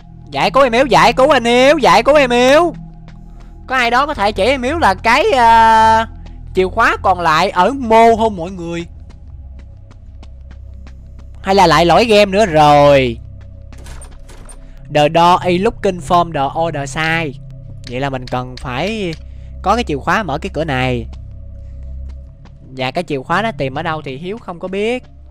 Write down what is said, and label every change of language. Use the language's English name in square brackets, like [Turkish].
[Vietnamese] Giải cứu em Yếu, giải cứu anh Yếu, giải cứu em Yếu. Có ai đó có thể chỉ em Yếu là cái chìa khóa còn lại ở mô không mọi người? Hay là lại lỗi game nữa rồi? [English] The door is looking from the other side. [Vietnamese] Vậy là mình cần phải có cái chìa khóa mở cái cửa này. Và cái chìa khóa nó tìm ở đâu thì Hiếu không có biết.